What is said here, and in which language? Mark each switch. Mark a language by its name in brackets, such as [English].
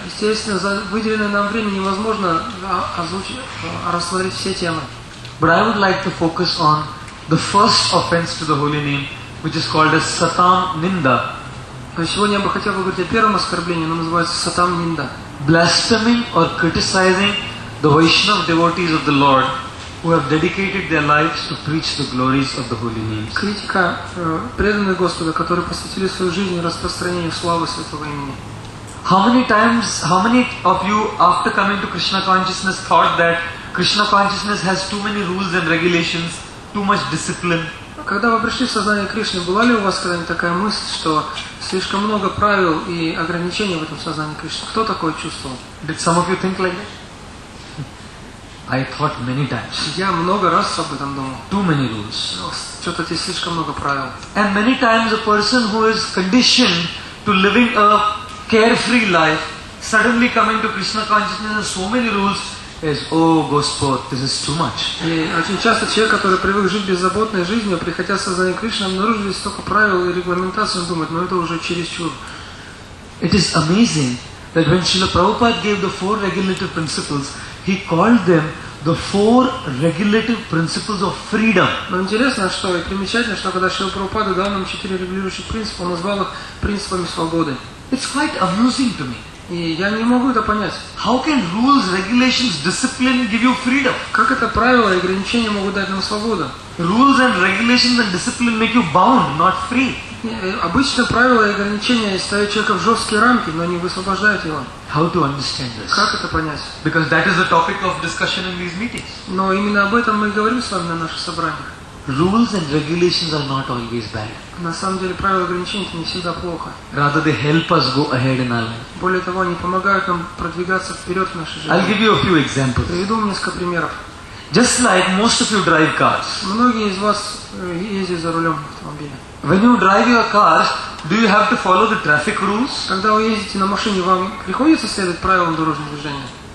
[Russian] Естественно, за выделенное нам время невозможно озвучить, рассмотреть все темы. [English] But I would like to focus on the first offense to the holy name, which is called as satam ninda. [Russian] Сегодня я бы хотел говорить о первом оскорблении, оно называется satam ninda. [English] Blaspheming or criticizing the Vaishnav devotees of the Lord who have dedicated their lives to preach the glories of the holy names. [Russian] Критика преданных Господа, которые посвятили свою жизнь распространению славы святого имени. [English] How many of you after coming to Krishna consciousness thought that Krishna consciousness has too many rules and regulations, too much discipline? [Russian] Когда вы пришли в сознание Кришны, была ли у вас когда-нибудь такая мысль, что слишком много правил и ограничений в этом сознании Кришны? Кто такое чувствовал? [English] Did some of you think like that? I thought many times. [Russian] Я много раз об этом думал. [English] Too many rules. [Russian] Что-то здесь слишком много правил. [English] And many times a person who is conditioned to living a carefree life, suddenly coming to Krishna consciousness, so many rules, is, oh, [Russian] Господ, [English] this is too much. [Russian] И очень часто человек, который привык жить беззаботной жизнью, приходя в сознание Кришны, обнаруживает столько правил и регламентаций, он думает, ну это уже чересчур. [English] It is amazing that when Srila Prabhupada gave the four regulative principles, he called them the four regulative principles of freedom. [Russian] Но интересно, что и примечательно, что когда Шрила Прабхупада дал нам четыре регулирующих принципа, он назвал их принципами свободы. [English] It's quite amusing to me. [Russian] И я не могу это понять. [English] How can rules, regulations, discipline give you freedom? [Russian] Как это правила и ограничения могут дать нам свободу? [English] Rules and regulations and discipline make you bound, not free. [Russian] Обычно правила и ограничения ставят человека в жесткие рамки, но не высвобождают его. [English] How to understand this? [Russian] Как это понять? [English] Because that is the topic of discussion in these meetings. [Russian] Но именно об этом мы и говорим с вами на наших собраниях. [English] Rules and regulations are not always bad. [Russian] На самом деле правила и ограничения не всегда плохо. [English] Rather they help us go ahead in our life. [Russian] Более того, они помогают нам продвигаться вперед в нашей жизни. [English] I'll give you a few examples. [Russian] Приведу несколько примеров. [English] Just like most of you drive cars. [Russian] Многие из вас ездят за рулем автомобиля. [English] When you drive your car, do you have to follow the traffic rules? [Russian] Когда вы ездите на машине, вам приходится следовать правилам дорожного движения?